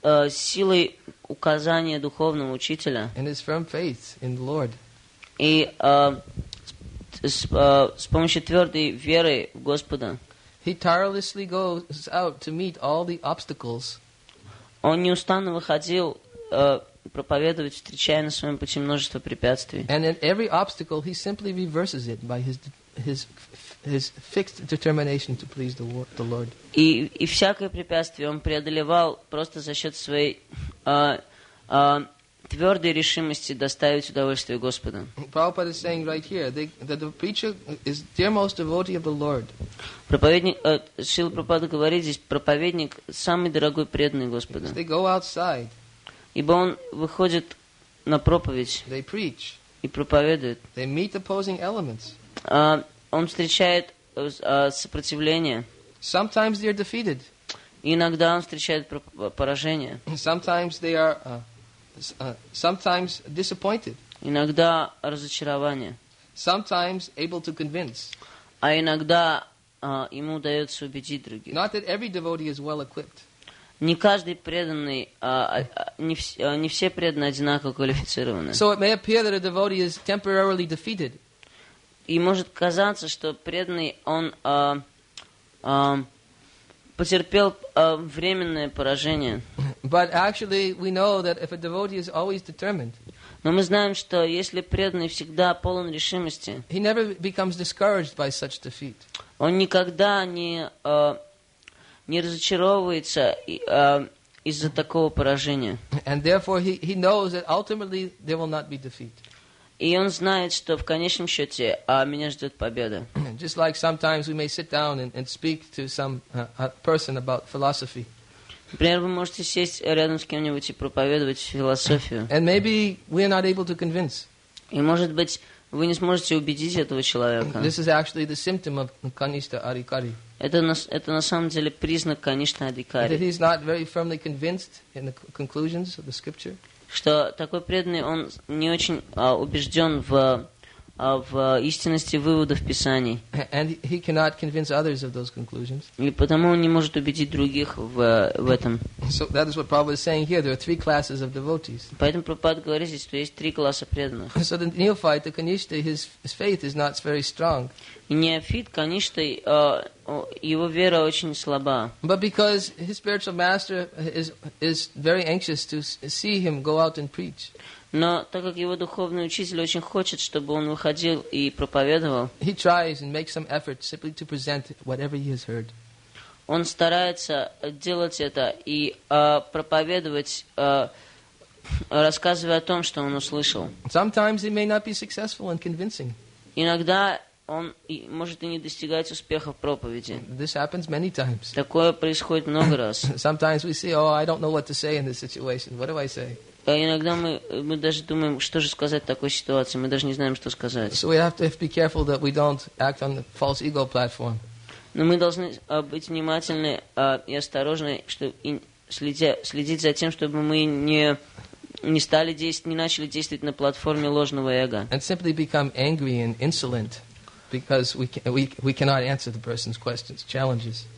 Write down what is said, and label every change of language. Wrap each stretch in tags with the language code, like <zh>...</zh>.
<ru>Силой указания духовного учителя.</ru> <en>And his firm faith in the Lord.</en> <ru>И с помощью твердой веры в Господа.</ru> <en>He tirelessly goes out to meet all the obstacles.</en> <ru>Он неустанно выходил проповедовать, встречая на своем пути множество препятствий.</ru> <en>And in every obstacle, he simply reverses it by his his fixed determination to please the Lord.</en> <ru>И всякое препятствие он преодолевал просто за счет своей твердой решимости доставить удовольствие Господу.</ru> <en>Prabhupada is saying right here that the preacher is the dearmost devotee of the Lord.</en> <ru>Проповедник, Шрила Прабхупада говорит здесь, проповедник самый дорогой преданный Господу.</ru> <en>They go outside.</en> <ru>Ибо он выходит на проповедь.</ru> <en>They preach.</en> <ru>И проповедует.</ru> <en>They meet opposing elements.</en> <ru>Он встречает сопротивление.</ru> <en>Sometimes they are defeated.</en> <ru>Иногда он встречает поражение.</ru> <en>Sometimes they are sometimes disappointed.</en> <ru>Иногда разочарование.</ru> <en>Sometimes able to convince.</en> <ru>А иногда ему удается убедить других.</ru> <en>Not that every devotee is well equipped.</en> <ru>Не каждый преданный, не все преданные одинаково квалифицированы.</ru> <en>So it may appear that a devotee is temporarily defeated.</en> <ru>И может казаться, что преданный он потерпел временное поражение.</ru> <en>But actually, we know that if a devotee is always determined,</en> <ru>но мы знаем, что если преданный всегда полон решимости,</ru> <en>he never becomes discouraged by such defeat.</en> <ru>Он никогда не разочаровывается из-за такого поражения.</ru> <en>And therefore, he knows that ultimately there will not be defeat.</en> <ru>И он знает, что в конечном счете меня ждет победа.</ru> <en>Just like sometimes we may sit down and speak to some person about philosophy.</en> <ru>Например, вы можете сесть рядом с кем-нибудь и проповедовать философию.</ru> <en>And maybe we are not able to convince.</en> <ru>И может быть, вы не сможете убедить этого человека.</ru> <en>This is actually the symptom of Kanishtha Adhikari.</en> <ru>Это на самом деле признак Kanishtha Adhikari.</ru> <en>That he is not very firmly convinced in the conclusions of the scripture.</en> <ru>Что такой преданный, он не очень убежден в истинности выводов Писаний.</ru> <en>And he cannot convince others of those conclusions.</en> <ru>И потому он не может убедить других в этом.</ru> <en>So that is what Prabhupada is saying here. There are three classes of devotees.</en> <ru>Поэтому Прабхупада говорит здесь, что есть три класса преданных.</ru> <en>So the neophyte, the Kanishtha, his faith is not very strong.</en> <ru>И неофит, Kanishtha, его вера очень слаба.</ru> <en>But because his spiritual master is very anxious to see him go out and preach.</en> <ru>Но так как его духовный учитель очень хочет, чтобы он выходил и проповедовал,</ru> <en>he tries and makes some effort simply to present whatever he has heard.</en> <ru>Он старается делать это и проповедовать, рассказывая о том, что он услышал.</ru> <en>Sometimes he may not be successful in convincing.</en> <ru>Иногда он может и не достигать успеха в проповеди.</ru> <en>This happens many times.</en> <ru>Такое происходит много раз.</ru> <en>Sometimes we see, oh, I don't know what to say in this situation. What do I say?</en> <ru>Иногда мы даже думаем, что же сказать в такой ситуации. Мы даже не знаем, что сказать.</ru> <en>So we have to be careful that we don't act on the false ego platform.</en> <ru>Но мы должны быть внимательны и осторожны, чтобы следить за тем, чтобы мы не начали действовать на платформе ложного эго.</ru> <en>And simply become angry and insolent because we cannot answer the person's questions, challenges.</en>